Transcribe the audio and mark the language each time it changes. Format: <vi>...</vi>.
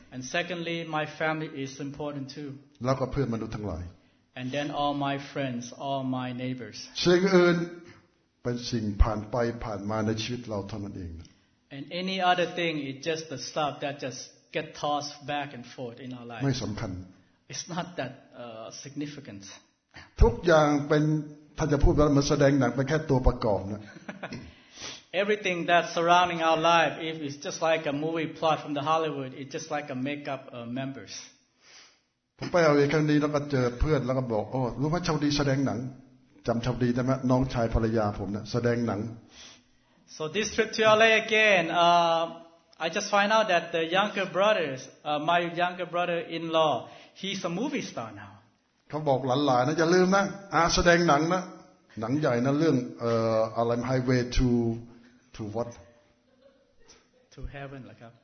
<en>And secondly my family is important too</en> <th>แล้วก็เพื่อนมนุษย์ทั้งหลาย</th> <en>And then all my friends all my neighbors</en> <th>สิ่งอื่นเป็นสิ่งผ่านไปผ่านมาในชีวิตเราเท่านั้นเอง</th> <en>And any other thing is just the stuff that just get tossed back and forth in our life.</en> <th>ไม่สำคัญ</th> <en>It's not that significant.</en> <th>ทุกอย่างเป็นท่านจะพูดว่ามันแสดงหนังเป็นแค่ตัวประกอบนะ</th> <en>Everything that surrounding our life, if it's just like a movie plot from the Hollywood, it's just like a makeup members.</en> <th>ผมไปเอาเองครั้งนี้แล้วก็เจอเพื่อนแล้วก็บอกโอ้รู้ไหมชาวดีแสดงหนังจำชาวดีได้ไหมน้องชายภรรยาผมนะแสดงหนัง</th> <en>So this trip to LA again, I just find out that the younger brothers, my younger brother-in-law, he's a movie star now.</en> <th>เขาบอกหลานๆนะอย่าลืมนะอาแสดงหนังนะหนังใหญ่นะเรื่องอะไร</th> <en>Highway to what? To heaven</en> <th>ล่ะครับ</th>